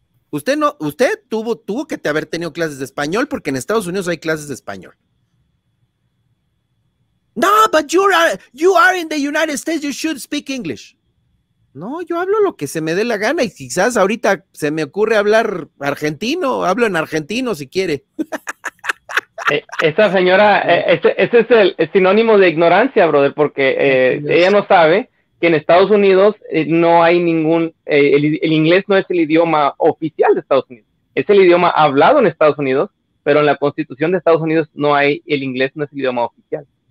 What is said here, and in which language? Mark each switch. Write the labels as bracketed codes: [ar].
[es] Usted tuvo que haber tenido clases de español porque en Estados Unidos hay clases de español. [en] No, but you are in the United States, you should speak English. [es] No, yo hablo lo que se me dé la gana y quizás ahorita se me ocurre hablar argentino, hablo en argentino si quiere. Esa señora, ese es el sinónimo de ignorancia, brother, porque ella no sabe que en Estados Unidos no hay ningún, el inglés no es el idioma oficial de Estados Unidos, es el idioma hablado en Estados Unidos, pero en la Constitución de Estados Unidos no hay, el inglés no es el idioma oficial.